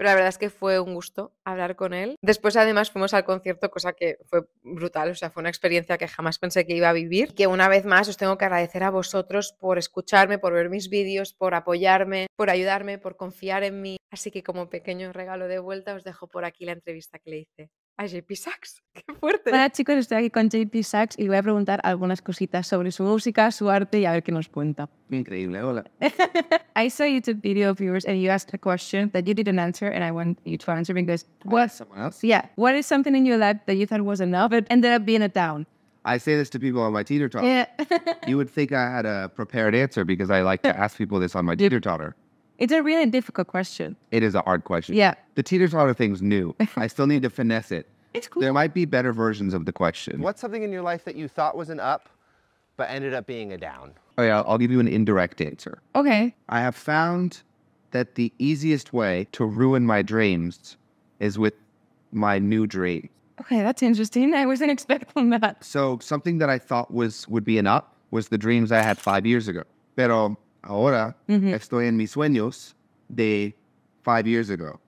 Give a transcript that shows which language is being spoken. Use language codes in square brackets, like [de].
[es] Pero la verdad es que fue un gusto hablar con él. Después, además, fuimos al concierto, cosa que fue brutal, o sea, fue una experiencia que jamás pensé que iba a vivir, que una vez más os tengo que agradecer a vosotros por escucharme, por ver mis vídeos, por apoyarme, por ayudarme, por confiar en mí. Así que como pequeño regalo de vuelta os dejo por aquí la entrevista que le hice a JP Saxe. ¡Qué fuerte! Hola chicos, estoy aquí con JP Saxe y le voy a preguntar algunas cositas sobre su música, su arte y a ver qué nos cuenta. Increíble, hola. [en] I saw YouTube video of yours and you asked a question that you didn't answer and I want you to answer because what, someone else? Yeah. What is something in your life that you thought was enough but ended up being a down? I say this to people on my teeter totter. Yeah. You would think I had a prepared answer because I like to ask people this on my teeter totter. It's a really difficult question. It is a hard question. Yeah. The teeter-totter thing's new. I still need to finesse it. It's cool. There might be better versions of the question. What's something in your life that you thought was an up, but ended up being a down? Oh yeah, I'll give you an indirect answer. Okay. I have found that the easiest way to ruin my dreams is with my new dream. Okay, that's interesting. I wasn't expecting that. So something that I thought would be an up was the dreams I had 5 years ago. [es] Pero... Ahora estoy en mis sueños de [en] 5 years ago.